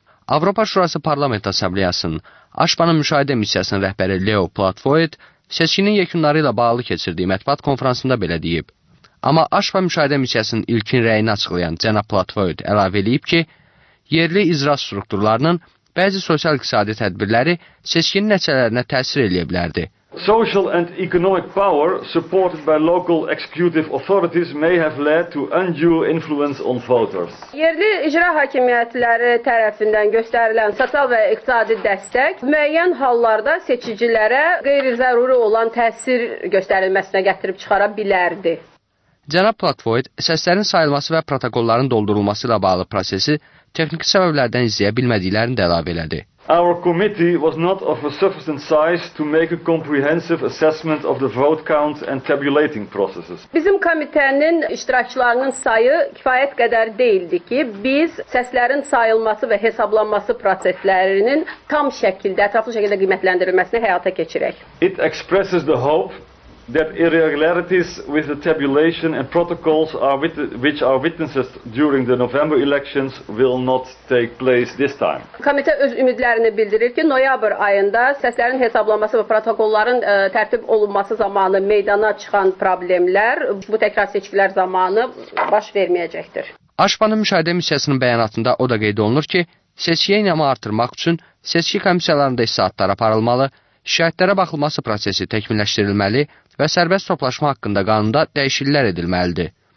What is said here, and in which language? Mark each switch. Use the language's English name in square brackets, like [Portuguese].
[Azerbaijani] Avropa Şurası Parlament Assambleyasının Aşpanın müşahidə missiyasının rəhbəri Leo Platfoid seçkinin yekunları ilə bağlı keçirdiyi mətbuat konfransında belə deyib. Amma Aşpa müşahidə missiyasının ilkin rəyini açıqlayan cənab Platfoid əlavə eləyib ki, yerli icra strukturlarının bəzi sosial-iqtisadi tədbirləri seçkinin nəticələrinə təsir edə bilərdi. [English] Social and economic power supported by local executive authorities may have led to undue influence on voters. [Azerbaijani] Yerli icra hakimiyyətləri tərəfindən göstərilən sosial və iqtisadi dəstək müəyyən hallarda seçicilərə qeyri-zəruri olan təsir göstərilməsinə gətirib çıxara bilərdi. Cənab Platvoid səslərin sayılması və protokolların doldurulması ilə bağlı prosesi texniki səbəblərdən izləyə bilmədiklərini də əlavə elədi. [English] Our committee was not of a sufficient size to make a comprehensive assessment of the vote count and tabulating processes. [Azerbaijani] Bizim komitənin iştirakçılarının sayı kifayət qədər deyildi ki, biz səslərin sayılması və hesablanması proseslərinin tam şəkildə, ətraflı şəkildə qiymətləndirilməsini həyata keçirək. [English] It expresses the hope that irregularities with the tabulation and protocols which are witnessed during the November elections will not take place this time. [Azerbaijani] Komitə öz ümidlərini bildirir ki, noyabr ayında səslərin hesablanması və protokolların tərtib olunması zamanı meydana çıxan problemlər bu təkrar seçkilər zamanı baş verməyəcəkdir. Aşpanın müşahidə missiyasının bəyanatında o da qeyd olunur ki, seçkiyə inamı artırmaq üçün seçki komissiyalarında istintaqlar aparılmalı, şikayətlərə baxılması prosesi təkmilləşdirilməli və sərbəst toplaşma haqqında qanunda dəyişikliklər edilməlidir.